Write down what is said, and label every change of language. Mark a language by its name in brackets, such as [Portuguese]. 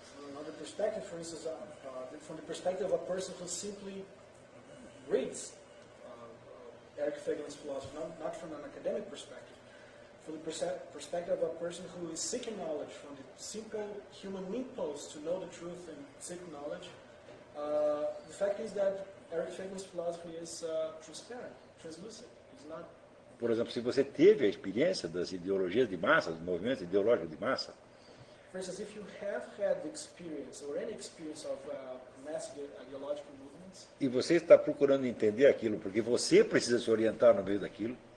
[English] Another perspective, for instance, from the perspective of a person who simply reads Erich Fegeli's philosophy, not from an academic perspective, from the perspective of a person who is seeking knowledge, from the simple human impulse to know the truth and seek knowledge. The fact is that Erich Fegeli's philosophy is transparent, translucent. It's not. [Portuguese] Por exemplo, se você teve a experiência das ideologias de massa, dos movimentos ideológicos de massa. [English] For instance, if you have had the experience or any experience of mass ideological movements. [Portuguese] E você está procurando entender aquilo porque você precisa se orientar no meio daquilo.